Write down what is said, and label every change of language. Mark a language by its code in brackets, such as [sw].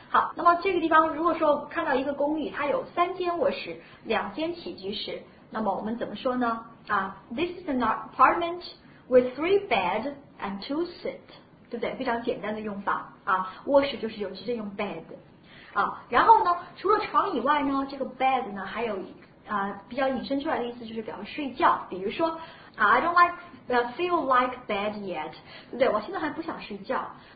[zh] 好，那么这个地方如果说看到一个公寓，它有3间卧室、2间起居室，那么我们怎么说呢？ [en] 啊、this is an apartment with 3 beds and 2 sit， 对不对？ [zh] 非常简单的用法啊，卧室就是有直接用 bed 啊。然后呢，除了床以外呢，这个 bed 呢还有啊比较引申出来的意思就是表示睡觉，比如说。 [en] I don't like feel like bed yet， [zh] 对，我现在还不想睡觉。